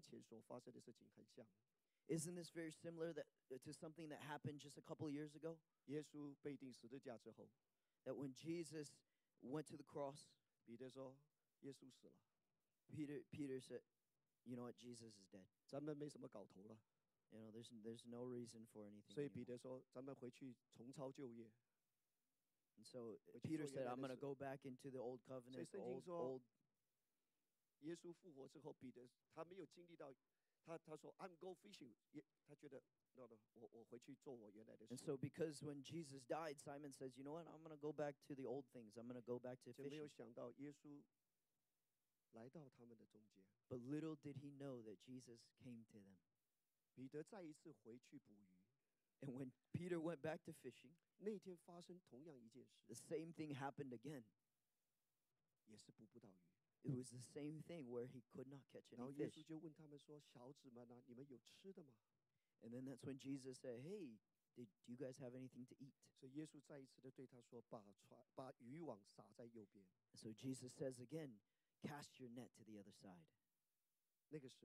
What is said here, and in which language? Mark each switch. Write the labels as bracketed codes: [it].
[en] Isn't this very similar to something that happened just a couple of years ago? [zh] 耶稣被钉十字架之后, [en] that when Jesus went to the cross, [zh] 彼得说, 耶稣死了, [en] Peter said, you know what, Jesus is dead. [zh] 咱们没什么搞头了, [en] you know, there's no reason for anything. [zh] 所以彼得说, 咱们回去重操旧业。 [en] And so Peter said, I'm going to go back into the old covenant, [zh] 所以圣经说, [en] old [zh] 耶稣复活之后，彼得他没有经历到，他说 [en] "I'm go fishing." [zh] 他觉得 "No, 我回去做我原来的事。" [en] And so, because when Jesus died, Simon says, "You know what? I'm going to go back to the old things. I'm going to go back to fishing." [zh] 就没有想到耶稣来到他们的中间。 [en] But little did he know that Jesus came to them. [zh] 彼得再一次回去捕鱼。 [en] And when Peter went back to fishing, [zh] 那天发生同样一件事。 [en] The same thing happened again. [zh] 也是捕不到鱼。 [en] It was the same thing where he could not catch any fish. [zh] 然后耶稣就问他们说, 小子们啊, 你们有吃的吗? [en] And then that's when Jesus said, hey, do you guys have anything to eat? [zh] 所以耶稣再一次地对他说, 把渔网撒在右边。 [en] So Jesus says again, cast your net to the other side.